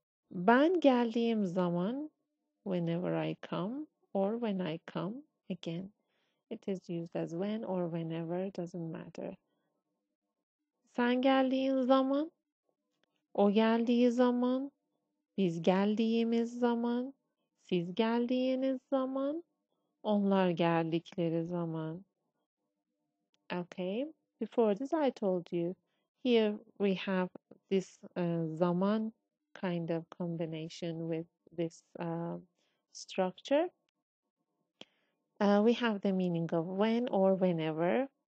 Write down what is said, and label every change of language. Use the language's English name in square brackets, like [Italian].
[Turkish] Ben geldiğim zaman, [English] whenever I come, or when I come, again, it is used as when or whenever, doesn't matter. [Turkish] Sen geldiğin zaman, o geldiği zaman, biz geldiğimiz zaman, siz geldiğiniz zaman, onlar geldikleri zaman. [English] Okay, before this I told you, here we have this zaman kind of combination with this structure. We have the meaning of when or whenever.